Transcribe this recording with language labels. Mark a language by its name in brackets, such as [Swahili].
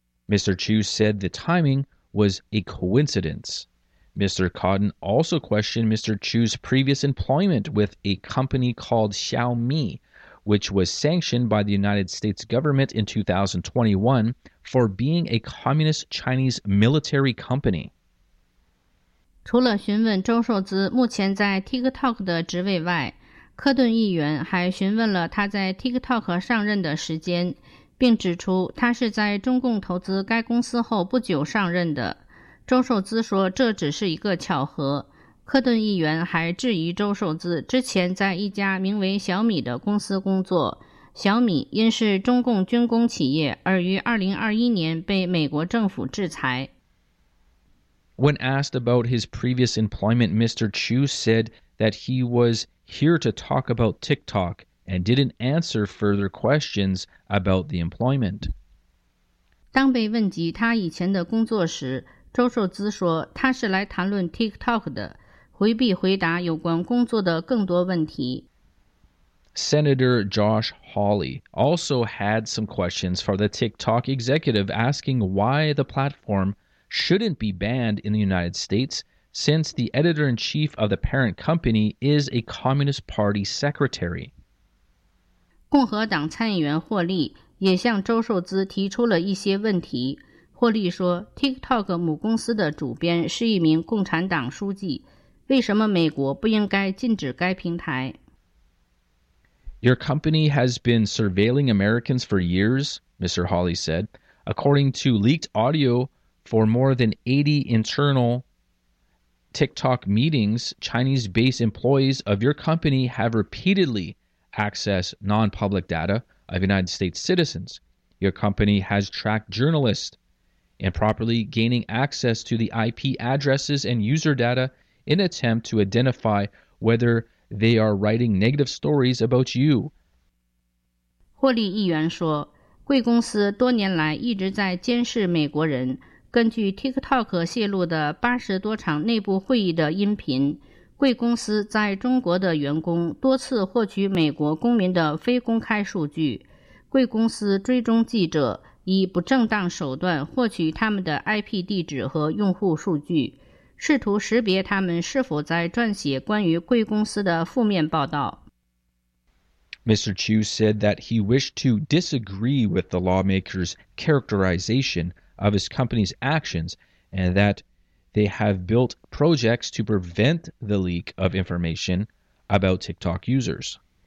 [English] Mr. Chu said the timing was a coincidence. Mr. Cotton also questioned Mr. Chu's previous employment with a company called Xiaomi, which was sanctioned by the United States government in 2021 for being a communist Chinese military company. [Chinese] 除了询问周受资目前在 TikTok 的职位外，柯顿议员还询问了他在 TikTok 上任的时间，并指出他是在中共投资该公司后不久上任的。周受资说这只是一个巧合。柯顿议员还质疑周受资之前在一家名为小米的公司工作，小米因是中共军工企业而于2021年被美国政府制裁。 [English] When asked about his previous employment, Mr. Chu said that he was here to talk about TikTok and didn't answer further questions about the employment. [Chinese] 当被问及他以前的工作时，周受资说他是来谈论 TikTok 的，回避回答有关工作的更多问题。 [English] Senator Josh Hawley also had some questions for the TikTok executive, asking why the platform shouldn't be banned in the United States, since the editor-in-chief of the parent company is a Communist Party secretary. [Chinese] 共和党参议员霍利也向周受资提出了一些问题。霍利说 ,TikTok 母公司的主编是一名共产党书记，为什么美国不应该禁止该平台？ [English] Your company has been surveilling Americans for years, Mr. Hawley said. According to leaked audio for more than 80 internal TikTok meetings, Chinese-based employees of your company have repeatedly accessed non-public data of United States citizens. Your company has tracked journalists improperly gaining access to the IP addresses and user data in attempt to identify whether they are writing negative stories about you. [Chinese] 霍利议员说，贵公司多年来一直在监视美国人，根据 TikTok 泄露的80多场内部会议的音频，贵公司在中国的员工多次获取美国公民的非公开数据，贵公司追踪记者以不正当手段获取他们的 IP 地址和用户数据，试图识别他们是否在撰写关于贵公司的负面报道。 [English] Mr. Chu said that he wished to disagree with the lawmaker's characterization of his company's actions and that they have built projects to prevent the leak of information about TikTok users.